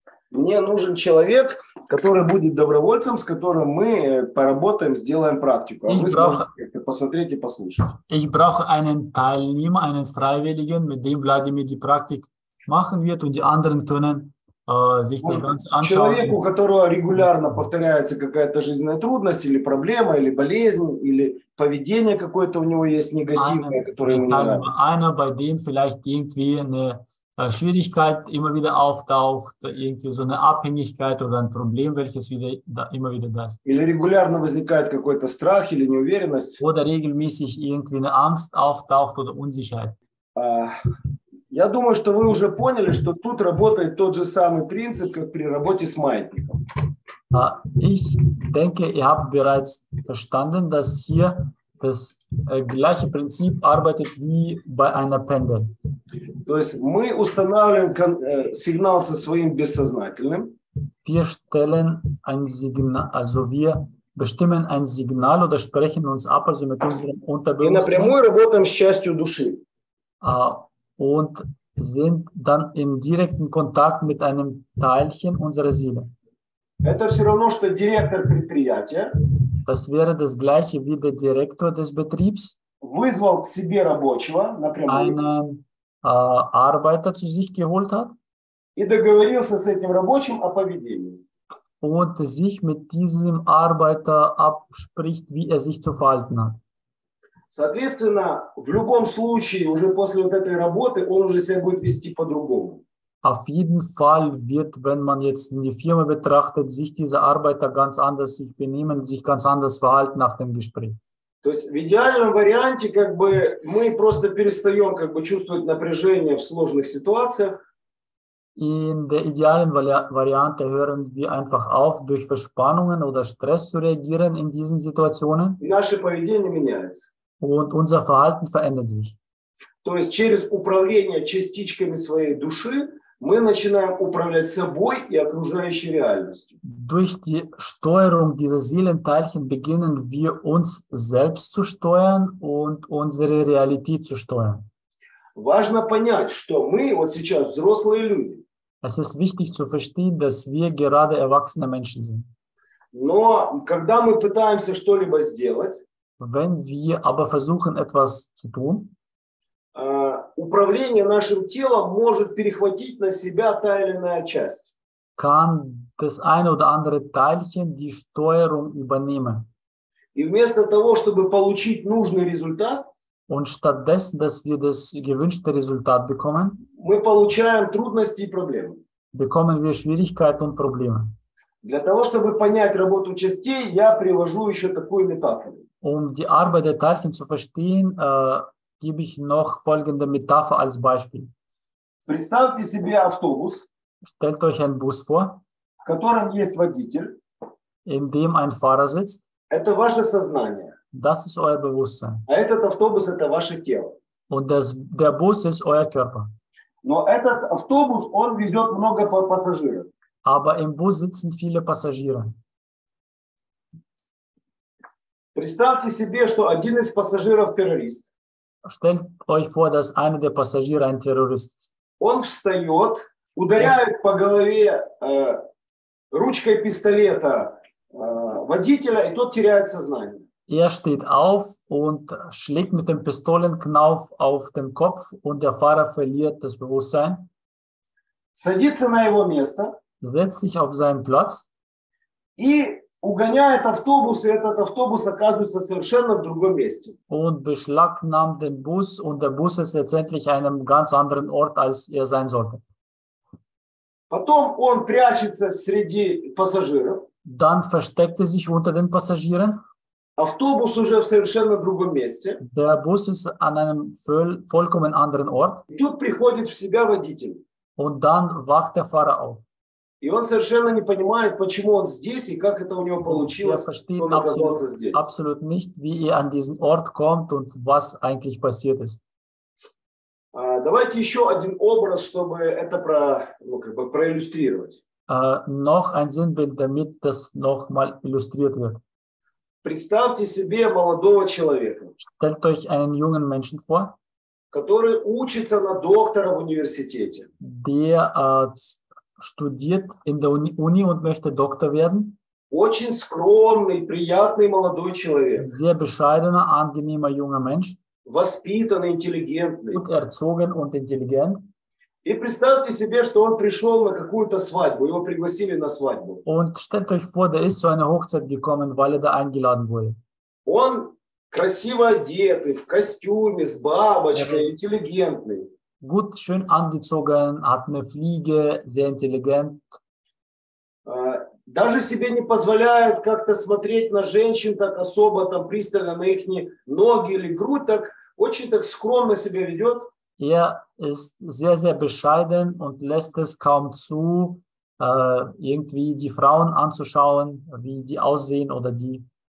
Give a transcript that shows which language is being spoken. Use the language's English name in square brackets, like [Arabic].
[Russian] Мне нужен человек, который будет добровольцем, с которым мы поработаем, сделаем практику. [German] Ich brauche, [Russian] посмотреть и послушать. [German] Ich brauche einen Teilnehmer, einen Freiwilligen, mit dem Wladimir die Praktik machen wird und die anderen können sich das Ganze anschauen. [Russian] Человек, у которого регулярно повторяется какая-то жизненная трудность или проблема, или болезнь, или поведение какое-то у него есть негативное, которое ему не нравится. [German] Einer, bei dem vielleicht irgendwie eine Schwierigkeit immer wieder auftaucht, irgendwie so eine Abhängigkeit oder ein Problem, welches wieder, da, immer wieder da ist. [Russian] Или регулярно возникает какой-то страх или неуверенность. [German] Oder regelmäßig irgendwie eine Angst auftaucht oder Unsicherheit. [Russian] Я думаю, что вы уже поняли, что тут работает тот же самый принцип, как при работе с маятником. [German] Ich denke, ihr habt bereits verstanden, dass hier das gleiche Prinzip arbeitet wie bei einer Pendel. [Russian] То есть мы устанавливаем сигнал со своим бессознательным. [German] Wir stellen ein Signal, also wir bestimmen ein Signal oder sprechen uns ab, also mit unserem Unterbewusstsein. [Russian] И напрямую работаем с частью души. [German] Und sind dann im direkten Kontakt mit einem Teilchen unserer Seele. [Russian] Это все равно, что директор предприятия. [German] Das wäre das gleiche wie der Direktor des Betriebs. [Russian] Вызвал к себе рабочего, напрямую. [German] Einen Arbeiter zu sich geholt hat. [Russian] И договорился с этим рабочим о поведении. [German] Und sich mit diesem Arbeiter abspricht, wie er sich zu verhalten hat. [Russian] Соответственно, в любом случае, уже после вот этой работы, он уже себя будет вести по-другому. [German] Auf jeden Fall wird, wenn man jetzt in die Firma betrachtet, sich dieser Arbeiter ganz anders sich benehmen, sich ganz anders verhalten nach dem Gespräch. [Russian] То есть в идеальном варианте, как бы, мы просто перестаем как бы, чувствовать напряжение в сложных ситуациях. [German] In der idealen Variante hören wir einfach auf, durch Verspannungen oder Stress zu reagieren in diesen Situationen. [Russian] Наше поведение меняется. [German] Und unser Verhalten verändert sich. [Russian] То есть через управление частичками своей души мы начинаем управлять собой и окружающей реальностью. [German] Durch die Steuerung dieser Seelenteilchen beginnen wir uns selbst zu steuern und unsere Realität zu steuern. [Russian] Важно понять, что мы вот сейчас взрослые люди. [German] Es ist wichtig zu verstehen, dass wir gerade erwachsene Menschen sind. [Russian] Но когда мы пытаемся что-либо сделать, [German] wenn wir aber versuchen, etwas zu tun, [Russian] управление нашим телом может перехватить на себя та или иная часть. [German] Kann das eine oder andere Teilchen die Steuerung übernehmen. [Russian] И вместо того, чтобы получить нужный результат, [German] und stattdessen, dass wir das gewünschte Resultat bekommen, [Russian] мы получаем трудности и проблемы. [German] Bekommen wir Schwierigkeiten und Probleme. [Russian] Для того, чтобы понять работу частей, я привожу еще такую метафору. [German] Um die Arbeit der Teilchen zu verstehen, gebe ich noch folgende Metapher als Beispiel. [Russian] Представьте себе автобус, [German] stellt euch einen Bus vor, [Russian] в котором есть водитель, [German] in dem ein Fahrer sitzt. [Russian] Это ваше сознание. [German] Das ist euer Bewusstsein. [Russian] А этот автобус – это ваше тело. [German] Und das, der Bus ist euer Körper. [Russian] Но этот автобус, он везет много пассажиров. [German] Aber im Bus sitzen viele Passagiere. [Russian] Представьте себе, что один из пассажиров террорист. [German] Stellt euch vor, dass einer der Passagiere ein Terrorist ist. [Russian] Он встает, ударяет по голове ручкой пистолета водителя, и тот теряет сознание. [German] Er steht auf und schlägt mit dem Pistolenknauf auf den Kopf und der Fahrer verliert das Bewusstsein. [Russian] Садится на его место. [German] Setzt sich auf seinen Platz. [Russian] И угоняет автобус, и этот автобус оказывается совершенно в другом месте. [German] Und beschlagnahmt den Bus, und der Bus ist letztendlich einem ganz anderen Ort, als er sein sollte. [Russian] Потом он прячется среди пассажиров. [German] Dann versteckt er sich unter den Passagieren. [Russian] Автобус уже в совершенно другом месте. [German] Der Bus ist an einem vollkommen anderen Ort. [Russian] И тут приходит в себя водитель. [German] Und dann wacht der Fahrer auf. [Russian] И он совершенно не понимает, почему он здесь и как это у него получилось. [German] Er versteht absolut nicht, wie er an diesen Ort kommt und was eigentlich passiert ist. [Russian] Давайте еще один образ, чтобы это проиллюстрировать. [German] Noch ein Sinnbild, damit das nochmal illustriert wird. [Russian] Представьте себе молодого человека. [German] Stellt euch einen jungen Menschen vor. [Russian] Который учится на доктора в университете. [German] Der studiert in der Uni und möchte Doktor werden. [Russian] Очень скромный, приятный молодой человек. [German] Sehr bescheidener, angenehmer junger Mensch. [Russian] Воспитанный, интеллигентный. [German] Und erzogen und intelligent. [Russian] И представьте себе, что он пришел на какую-то свадьбу, его пригласили на свадьбу. [German] Und stellt euch vor, der ist zu einer Hochzeit gekommen, weil er da eingeladen wurde. [Russian] Он красиво одетый, в костюме, с бабочкой, интеллигентный. [German] Gut, schön angezogen, hat eine Fliege, sehr intelligent. [Russian] Даже себе не позволяет как-то смотреть на женщин так особо, там пристально на их ноги или грудь, так очень так скромно себя ведет. [German] Er ist sehr, sehr bescheiden und lässt es kaum zu, irgendwie die Frauen anzuschauen, wie die aussehen oder die...